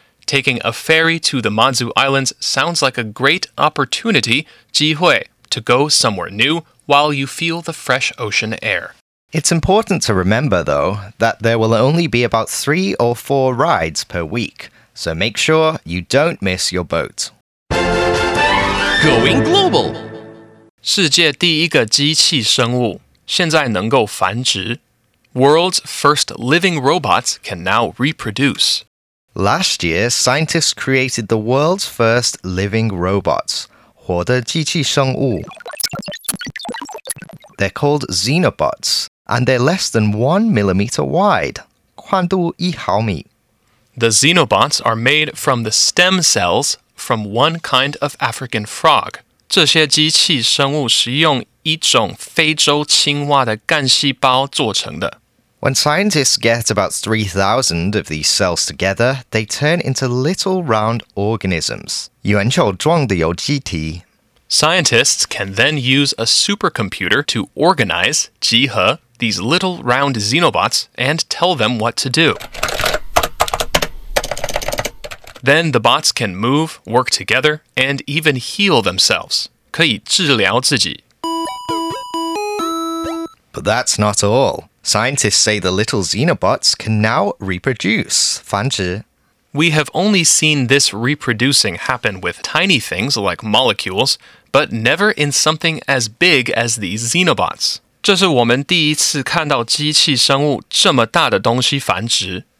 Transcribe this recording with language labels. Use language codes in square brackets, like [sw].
[en] Taking a ferry to the Matsu Islands sounds like a great opportunity, [zh] 机会, [en] to go somewhere new while you feel the fresh ocean air. It's important to remember, though, that there will only be about 3 or 4 rides per week, so make sure you don't miss your boat. Going global! [zh] 世界第一个机器生物现在能够繁殖。 [en] World's first living robots can now reproduce. Last year, scientists created the world's first living robots, [zh] 活的机器生物。 [en] They're called xenobots, and they're less than 1 millimeter wide, [zh] 宽度一毫米。 [en] The xenobots are made from the stem cells from one kind of African frog. [zh] 这些机器生物是用一种非洲青蛙的干细胞做成的。 [en] When scientists get about 3,000 of these cells together, they turn into little round organisms, [zh] 圆球状的有机体. [en] Scientists can then use a supercomputer to organize, [zh] 集合, [en] these little round xenobots and tell them what to do. Then the bots can move, work together, and even heal themselves. [zh] 可以治疗自己. [en] But that's not all. Scientists say the little xenobots can now reproduce, [zh] 繁殖. [en] We have only seen this reproducing happen with tiny things like molecules, but never in something as big as these xenobots. [zh] 这是我们第一次看到机器生物这么大的东西繁殖.